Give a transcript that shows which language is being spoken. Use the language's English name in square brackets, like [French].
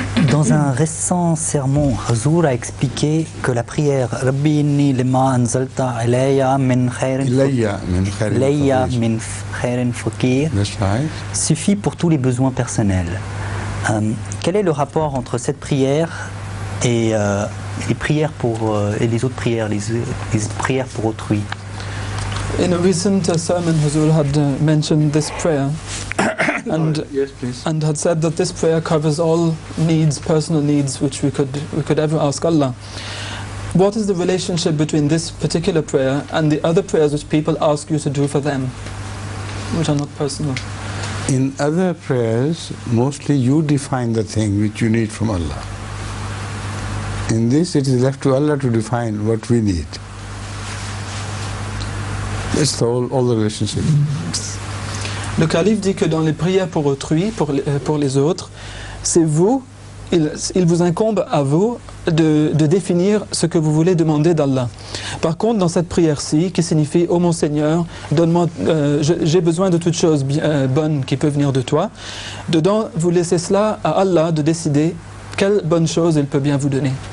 [French] Dans un récent sermon, Hazour a expliqué que la prière [Arabic] Rabbi inni lima anzalta ilayya min khairin fakir [French] suffit pour tous les besoins personnels. Quel est le rapport entre cette prière et les prières pour et les autres prières, les prières pour autrui? [English] In a recent sermon, Hazour had mentioned this prayer. And, yes, please. And had said that this prayer covers all needs, personal needs, which we could ever ask Allah. What is the relationship between this particular prayer and the other prayers which people ask you to do for them, which are not personal? In other prayers, mostly you define the thing which you need from Allah. In this, it is left to Allah to define what we need. That's all the relationship. [French] Le calife dit que dans les prières pour autrui, pour les autres, c'est vous, il vous incombe à vous de définir ce que vous voulez demander d'Allah. Par contre, dans cette prière-ci, qui signifie « Ô mon Seigneur, donne-moi, j'ai besoin de toute chose bonne qui peut venir de toi », dedans, vous laissez cela à Allah de décider quelle bonne chose il peut bien vous donner.